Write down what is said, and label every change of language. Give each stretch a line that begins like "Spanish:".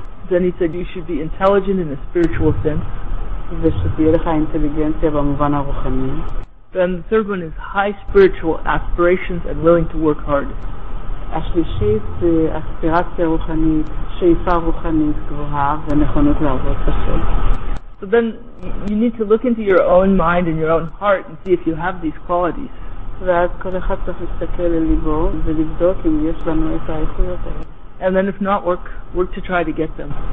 English: Then he said you should be intelligent in a spiritual sense.
Hebrew: ושתהיה לך אינטליגנציה במובן הרוחני.
English: Then the third one is high spiritual aspirations and willing to work hard.
Hebrew: השלישית זה אספירציה רוחנית, שאיפה רוחנית גבוהה ונכונות לעבוד קשה.
English: So then you need to look into your own mind and your own heart and see if you have these qualities.
Hebrew: ואז כל אחד צריך להסתכל לליבו ולבדוק אם יש לנו את האיכויות האלה.
English: And then if not, work to try to get them.